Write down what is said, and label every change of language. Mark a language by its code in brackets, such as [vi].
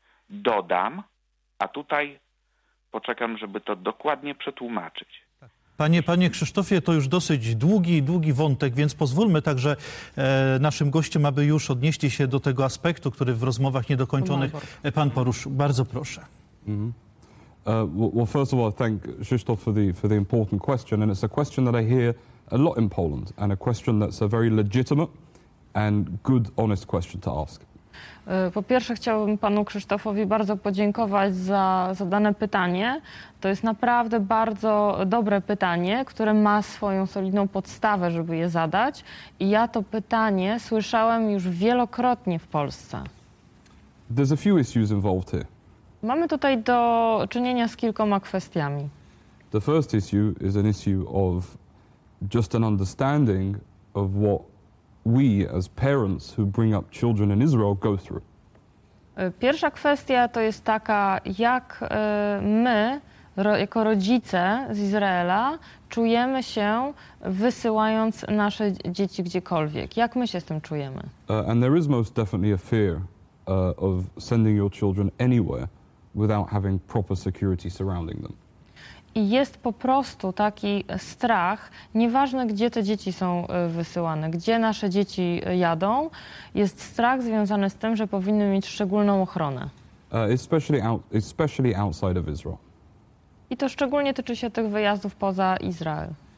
[pl] Dodam, a tutaj poczekam, żeby to dokładnie przetłumaczyć. Panie Krzysztofie, to już dosyć długi wątek, więc pozwólmy także naszym gościom, aby już odnieśli się do tego aspektu, który w rozmowach niedokończonych pan poruszył. Bardzo proszę. Mm-hmm. [en] Well, first of all, I thank Krzysztof for the important question, and it's a question that I hear a lot in Poland, and a question that's a very legitimate and good, honest question to ask. [pl] Po pierwsze, chciałbym panu Krzysztofowi bardzo podziękować za zadane pytanie. To jest naprawdę bardzo dobre pytanie, które ma swoją solidną podstawę, żeby je zadać. I ja to pytanie słyszałem już wielokrotnie w Polsce. [en] There's a few issues involved here. [pl] Mamy tutaj do czynienia z kilkoma kwestiami. [en] The first issue is an issue of just an understanding of what we as parents who bring up children in Israel go through. [pl] Pierwsza kwestia to jest taka, jak my jako rodzice z Izraela czujemy się, wysyłając nasze dzieci gdziekolwiek. Jak my się z tym czujemy? [en] And there is most definitely a fear of sending your children anywhere without having proper security surrounding them. [pl] I jest po prostu taki strach, nieważne gdzie te dzieci są wysyłane, gdzie nasze dzieci jadą, jest strach związany z tym, że powinny mieć szczególną ochronę. [en] Especially outside of Israel. [pl] I to szczególnie tyczy się tych wyjazdów poza Izrael.